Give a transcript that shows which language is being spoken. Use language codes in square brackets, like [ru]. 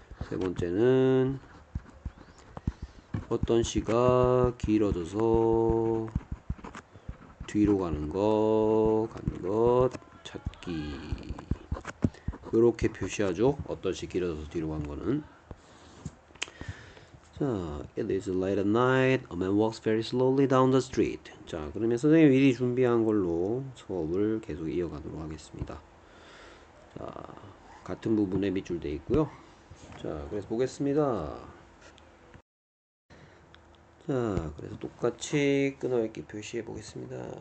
[ko] 세 번째는 어떤 시가 길어져서 뒤로 가는 것, 가는 것 찾기. 그렇게 표시하죠. 어떤 시 길어져서 뒤로 간 거는. [en] 자, It is late at night. A man walks very slowly down the street. [ko] 자, 그러면 선생님이 미리 준비한 걸로 수업을 계속 이어가도록 하겠습니다. 자, 같은 부분에 밑줄 돼 있고요. 자, 그래서 보겠습니다. 자, 그래서 똑같이 끊어읽기 표시해 보겠습니다.